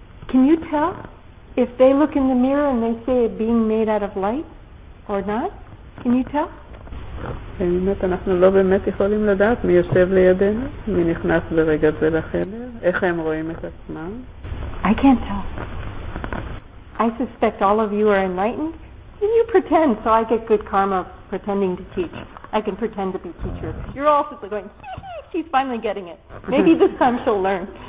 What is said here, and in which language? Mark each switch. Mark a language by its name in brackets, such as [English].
[English] Can you tell if they look in the mirror and they say a being made out of light or not? Can you tell? [Hebrew] באמת אנחנו לא באמת יכולים לדעת מי יושב לידינו, מי נכנס ברגע זה לחדר, איך הם רואים את עצמם. [English] I can't tell. I suspect all of you are enlightened. And you pretend, so I get good karma pretending to teach. I can pretend to be teacher. You're all just going, hee-hee, she's finally getting it. Maybe this time she'll learn.